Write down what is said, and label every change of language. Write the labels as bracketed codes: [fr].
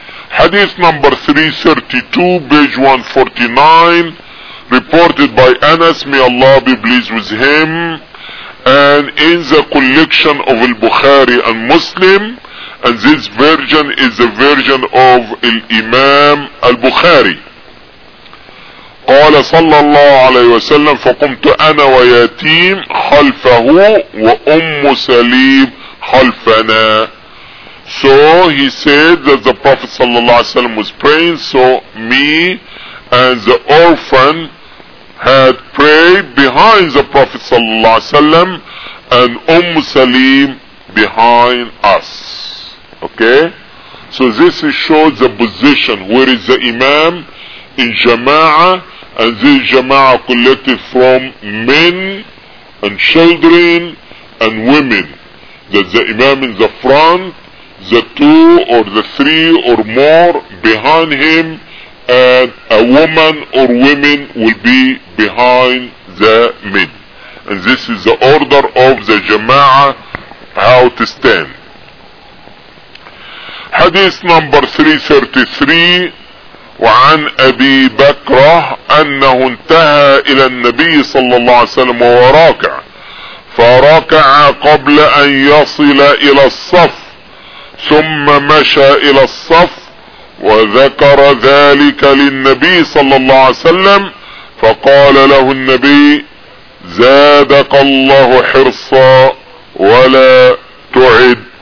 [en] Hadith number 332, page 149, reported by Anas, may Allah be pleased with him, and in the collection of al-Bukhari and Muslim, and this version is the version of Imam al-Bukhari. [ar] قال صلى الله عليه وسلم فقمت أنا ويتيم خلفه وأم سليم خلفنا. [en] So he said that the Prophet صلى الله عليه وسلم was praying, so me and the orphan had prayed behind the Prophet صلى الله عليه وسلم and أم سليم behind us. Okay, so this is showed the position, where is the imam in jama'ah, and this jama'ah collected from men and children and women, that the imam in the front, the two or the three or more behind him, and a woman or women will be behind the men, and this is the order of the jama'ah how to stand. [ar] حديث نمبر 333 وعن أبي بكر أنه انتهى إلى النبي صلى الله عليه وسلم وراكع فراكع قبل أن يصل إلى الصف ثم مشى إلى الصف وذكر ذلك للنبي صلى الله عليه وسلم فقال له النبي زادك الله حرصا ولا تعد.